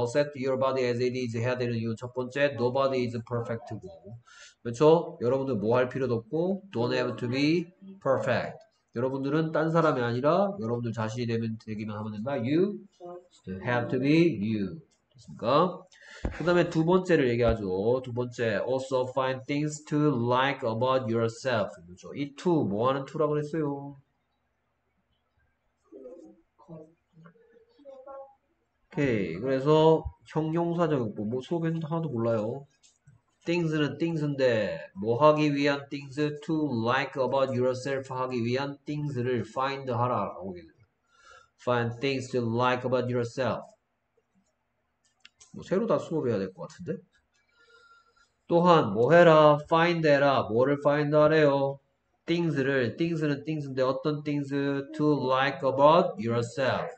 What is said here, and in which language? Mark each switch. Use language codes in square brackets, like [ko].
[en] Accept your body as it is [ko] 해야 되는 이유 첫 번째, [en] nobody is perfect고. 그렇죠? [ko] 여러분들 뭐할 필요도 없고, [en] don't have to be perfect. [ko] 여러분들은 딴 사람이 아니라 여러분들 자신이 되면 되기만 하면 된다. [en] You have to be you. [ko] 됐습니까? 그 다음에 두 번째를 얘기하죠. 두 번째, [en] also find things to like about yourself. [ko] 그렇죠? 이 to 뭐 하는 to라고 그랬어요? 오케이. 그래서 형용사적 뭐 수업에는 하나도 몰라요. things는 things인데, 뭐 하기 위한 things, [en] to like about yourself [ko] 하기 위한 things를 find 하라. [en] Find things to like about yourself. [ko] 뭐 새로 다 수업해야 될것 같은데? 또한 뭐 해라, find 해라, 뭐를 find 하래요? things를, things는 things인데 어떤 [en] things to like about yourself.